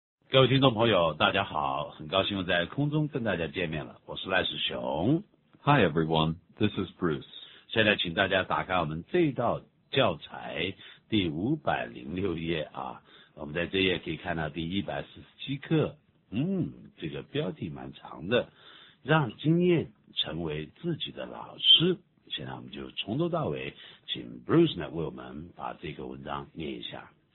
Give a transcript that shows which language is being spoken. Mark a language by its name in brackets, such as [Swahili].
[Chinese] 各位听众朋友，大家好，很高兴在空中跟大家见面了。我是赖世雄。 [English] Hi everyone, this is Bruce. [Chinese] 现在请大家打开我们这道教材第506页啊，我们在这页可以看到第147课，这个标题蛮长的，让经验成为自己的老师。现在我们就从头到尾，请 Bruce 呢为我们把这个文章念一下。